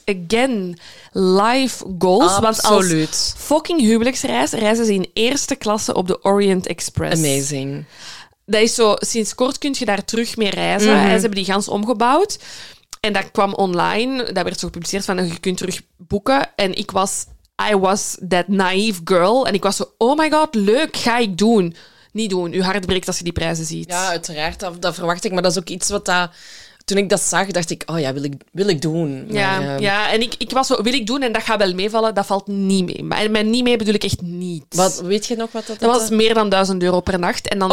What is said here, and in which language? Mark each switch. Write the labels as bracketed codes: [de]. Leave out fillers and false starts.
[en] Again, life goals. [nl] Absoluut. Want als fucking huwelijksreis reizen ze in eerste klasse op de Orient Express. [en] Amazing. [nl] Dat is zo, sinds kort kun je daar terug mee reizen. Mm-hmm. En ze hebben die gans omgebouwd. En dat kwam online, dat werd zo gepubliceerd, van je kunt terug boeken. En [en] I was that naive girl. [nl] En ik was zo, [en] oh my god, [nl] leuk, ga ik doen. niet doen. Je hart breekt als je die prijzen ziet. Ja, uiteraard. Dat verwacht ik. Maar dat is ook iets wat dat... Toen ik dat zag, dacht ik, oh ja, wil ik doen. Ja, ja, en ik was zo, wil ik doen en dat gaat wel meevallen, dat valt niet mee. En met niet mee bedoel ik echt niet. Wat, weet je nog wat dat was? Dat was meer dan 1000 euro per nacht. En dan,